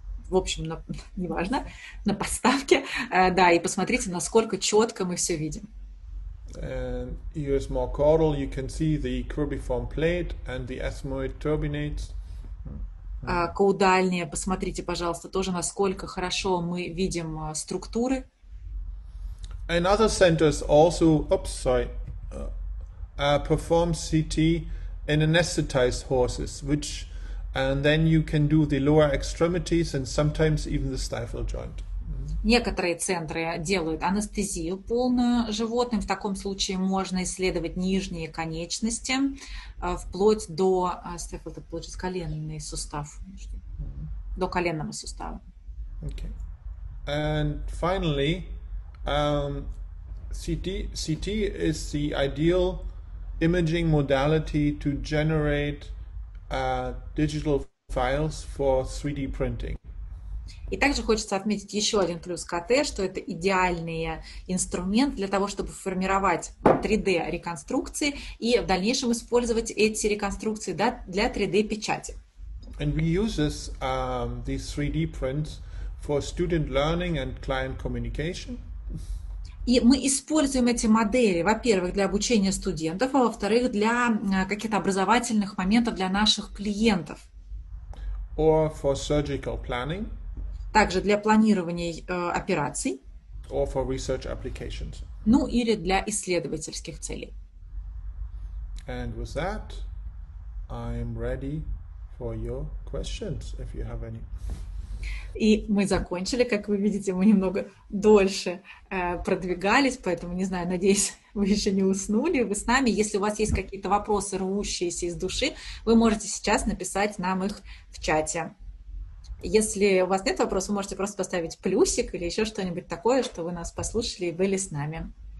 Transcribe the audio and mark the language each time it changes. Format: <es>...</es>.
<ru>В общем, неважно, на подставке. Да, и посмотрите, насколько четко мы все видим.</ru> <en>Here's more caudal. You can see the cribriform plate and the ethmoid turbinates.</en> <ru>Каудальнее, посмотрите, пожалуйста, тоже, насколько хорошо мы видим структуры.</ru> <en>And other centers also, perform CT in anesthetized horses, which and then you can do the lower extremities and sometimes even the stifle joint.</en> <ru>Некоторые центры делают анестезию полную животным. В таком случае можно исследовать нижние конечности, вплоть до стифл, это получается коленный сустав, до коленного сустава.</ru> <en>Okay. And finally, CT is the ideal imaging modality to generate digital files for 3D printing.</en> <ru>И также хочется отметить еще один плюс КТ, что это идеальный инструмент для того, чтобы формировать 3D-реконструкции и в дальнейшем использовать эти реконструкции для 3D-печати.</ru> <en>And we use this, these 3D prints for student learning and client communication.</en> <ru>И мы используем эти модели, во-первых, для обучения студентов, а во-вторых, для каких-то образовательных моментов для наших клиентов.</ru> <en>Or for surgical planning.</en> <ru>Также для планирования операций.</ru> <en>Or for research applications.</en> <ru>Ну или для исследовательских целей.</ru> <en>And with that, I'm ready for your questions, if you have any.</en> <ru>И мы закончили, как вы видите, мы немного дольше продвигались, поэтому, не знаю, надеюсь, вы еще не уснули, вы с нами. Если у вас есть какие-то вопросы, рвущиеся из души, вы можете сейчас написать нам их в чате. Если у вас нет вопросов, вы можете просто поставить плюсик или еще что-нибудь такое, что вы нас послушали и были с нами.</ru>